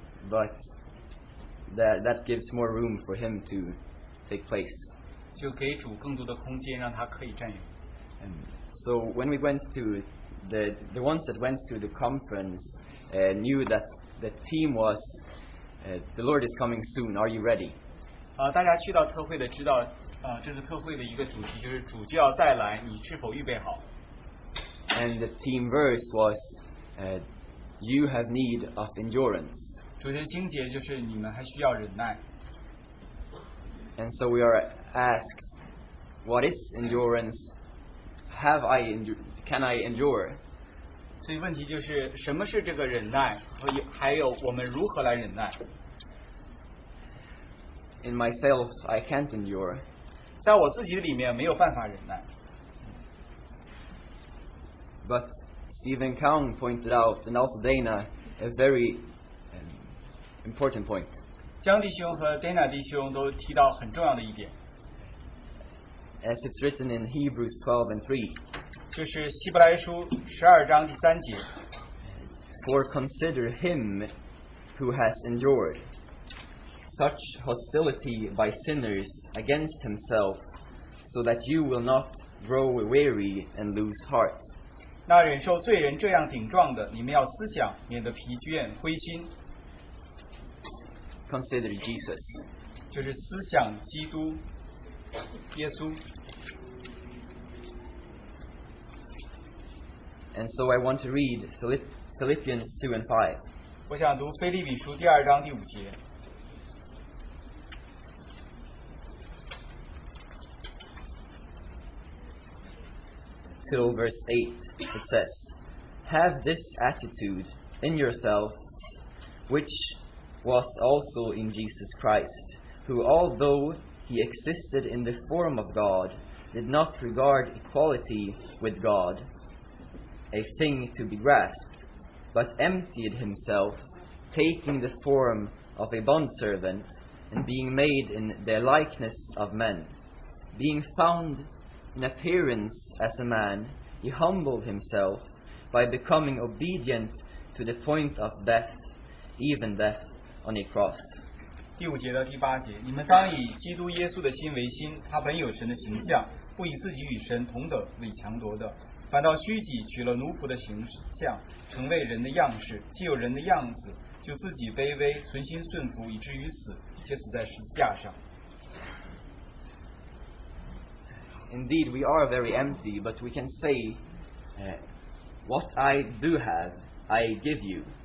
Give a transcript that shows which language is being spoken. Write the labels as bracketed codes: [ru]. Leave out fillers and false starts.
[en] But that gives more room for Him to take place. So when we went to the ones that went to the conference knew that the theme was the Lord is coming soon, are you ready? [zh] 大家去到特会的知道, 这是特会的一个主题就是主就要再来, 你是否预备好? [en] And the theme verse was you have need of endurance. [zh] 主题经节就是你们还需要忍耐。 [en] And so we are asked, what is endurance? Can I endure? [zh] 所以问题就是, 什么是这个忍耐? 还有我们如何来忍耐? [en] In myself, I can't endure. [zh] 在我自己里面没有办法忍耐。 [en] But Stephen Kang pointed out, and also Dana, a very important point. [zh] 江弟兄和Dana弟兄都提到很重要的一点。 [en] As it's written in Hebrews 12 and 3, [zh] 就是希伯来书12章第3节, [en] for consider him who has endured such hostility by sinners against himself, so that you will not grow weary and lose heart. [zh] 那忍受罪人这样顶撞的，你们要思想，免得疲倦灰心。 [en] Consider Jesus. [zh] 就是思想基督，耶稣。 [en] And so I want to read Philippians 2 and 5. [zh] 我想读腓立比书第二章第五节。 [en] Till verse 8, it says, Have this attitude in yourselves, which was also in Jesus Christ, who although he existed in the form of God, did not regard equality with God a thing to be grasped, but emptied himself, taking the form of a bondservant, and being made in the likeness of men, being found in appearance as a man, he humbled himself by becoming obedient to the point of death, even death on a cross. [zh] 第五节到第八节，你们当以基督耶稣的心为心，他本有神的形象，不以自己与神同等为强夺的，反倒虚己，取了奴仆的形象，成为人的样式，既有人的样子，就自己卑微，存心顺服，以至于死，且死在十字架上。 [en] Indeed, we are very empty, but we can say, what I do have, I give you.